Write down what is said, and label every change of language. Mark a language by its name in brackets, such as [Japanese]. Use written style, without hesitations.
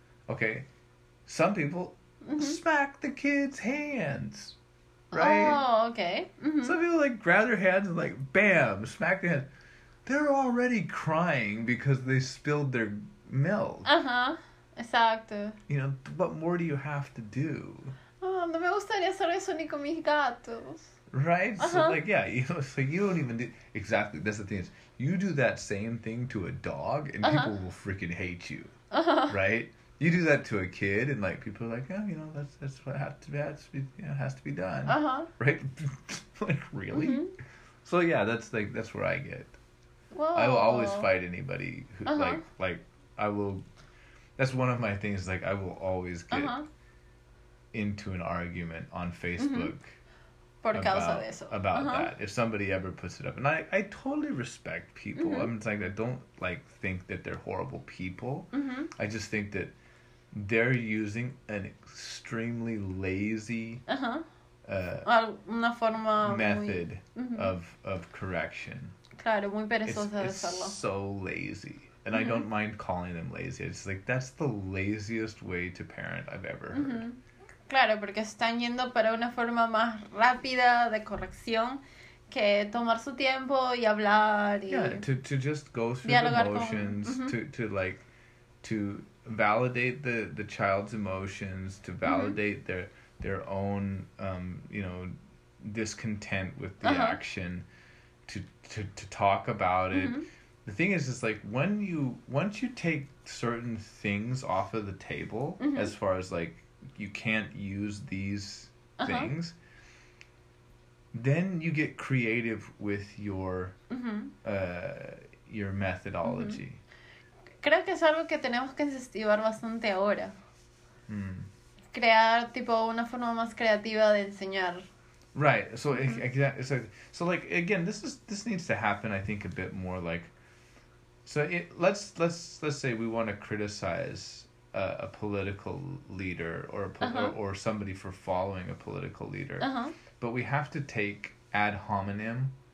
[English] Okay, some people mm-hmm. smack the kid's hands, right? Oh, okay. Mm-hmm. Some people, like, grab their hands and, like, bam, smack their hands. They're already crying because they spilled their milk. [Spanish] Uh-huh. Exacto. [English] You know, what more do you have to do? [Spanish] Oh, no me gustaría hacer eso ni con mis gatos. [English] Right? Uh-huh. So, like, yeah, you know, so you don't even do... Exactly, that's the thing. You do that same thing to a dog, and uh-huh. people will freaking hate you. Uh-huh. Right? You do that to a kid, and, like, people are like, oh, you know, that's what has to be done. Uh-huh. Right? Like, really? Mm-hmm. So, yeah, that's, like, that's where I get. Whoa. I will always fight anybody who, uh-huh. like, I will... That's one of my things, like, I will always get uh-huh. into an argument on Facebook [Spanish] mm-hmm. Por causa de eso. [English] About uh-huh. that, if somebody ever puts it up. And I totally respect people. Mm-hmm. I'm saying, I don't, like, think that they're horrible people. Mm-hmm. I just think that they're using an extremely lazy [Spanish] uh-huh. Una forma [English] method [Spanish] muy... [English] mm-hmm. of correction. [Spanish] Claro, muy perezoso de hacerlo. [English] It's so lazy. And mm-hmm. I don't mind calling them lazy. It's like, that's the laziest way to parent I've ever heard. Mm-hmm. [Spanish] Claro, porque están yendo para una forma más rápida de corrección que tomar su tiempo y hablar y... [English] Yeah, to just go through the emotions, [Spanish] con... mm-hmm. [English] to validate the child's emotions, to validate mm-hmm. their own, you know, discontent with the uh-huh. action, to talk about it. Mm-hmm. The thing is like, once you take certain things off of the table, mm-hmm. as far as, like, you can't use these uh-huh. things, then you get creative with your methodology. Mm-hmm. [Spanish] Creo que es algo que tenemos que incentivar bastante ahora. Mm. Crear, tipo, una forma más creativa de enseñar. [English] Right. So, mm-hmm. again, this needs to happen, I think, a bit more, like, so let's say we want to criticize a political leader uh-huh. or somebody for following a political leader, uh-huh. but we have to take ad hominem